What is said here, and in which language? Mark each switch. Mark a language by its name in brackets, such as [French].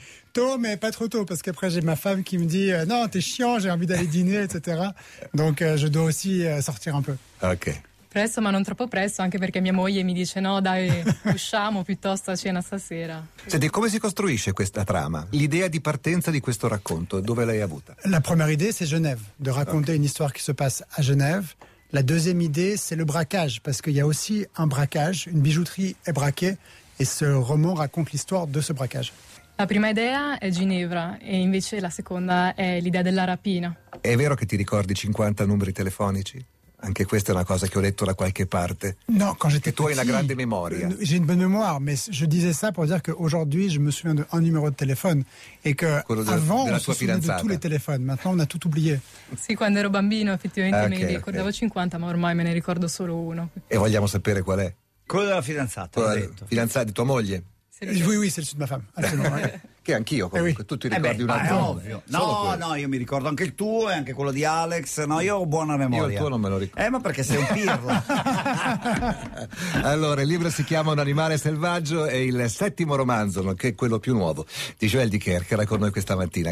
[French] Tôt, mais pas trop tôt, parce qu'après j'ai ma femme qui me dit « Non, t'es chiant, j'ai envie d'aller dîner, etc. » Donc je dois aussi sortir un peu. Ok. [Italian] Presto, ma non troppo presto, anche perché mia moglie mi dice no, dai, usciamo piuttosto a cena stasera. Senti, come si costruisce questa trama? L'idea di partenza di questo racconto, dove l'hai avuta? [French] La première idée, c'est Genève, de raconter okay. une histoire qui se passe à Genève. La deuxième idée, c'est le braquage, parce qu'il y a aussi un braquage, une bijouterie est braquée, et ce roman raconte l'histoire de ce braquage. [Italian] La prima idea è Ginevra e invece la seconda è l'idea della rapina. È vero che ti ricordi 50 numeri telefonici? Anche questa è una cosa che ho letto da qualche parte. [French] No, quand j'étais petit. [Italian] Tu hai una grande memoria. [French] J'ai une bonne mémoire, mais je disais ça pour dire que aujourd'hui je me souviens d'un numéro de téléphone et que [Italian] quello [French] avant [Italian] della [French] on se souvenait de tous les téléphones. Maintenant on a tout oublié. [Italian] Sì, quando ero bambino effettivamente mi ricordavo 50, ma ormai me ne ricordo solo uno. E vogliamo sapere qual è? Quello della fidanzata, l'ho detto. Fidanzata di tua moglie? [French] Oui, c'est le sud de ma femme. [Italian] Che anch'io comunque, tutti ricordi un altro. No, no, io mi ricordo anche il tuo e anche quello di Alex. No, io ho buona memoria. Io il tuo non me lo ricordo. Ma perché sei un pirla. Allora, il libro si chiama Un animale selvaggio e il settimo romanzo, nonché quello più nuovo, di Joël Dicker, che era con noi questa mattina.